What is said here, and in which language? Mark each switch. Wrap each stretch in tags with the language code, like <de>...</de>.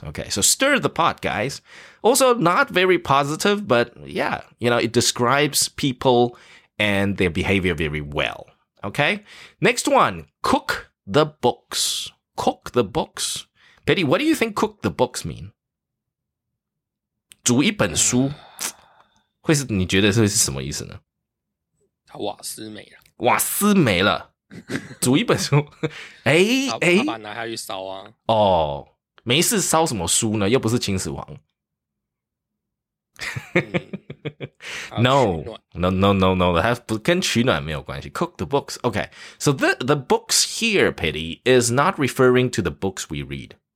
<en>Okay, so stir the pot, guys. Also, not very positive, but yeah, you know, it describes people and their behavior very well. Okay, next one, cook the books. Cook the books. Betty, what do you think cook the books mean?</en> <zh>煮一本书，会是你觉得是什么意思呢？他瓦斯没了。瓦斯没了。煮一本书，哎、欸、哎，他把拿下去烧啊！哦，没事烧什么书呢？又不是秦始皇。 No, 它不跟取暖没有关系。</zh> <en>Cook the books, okay. So the books here, Pity, is not referring to the books we read.</en>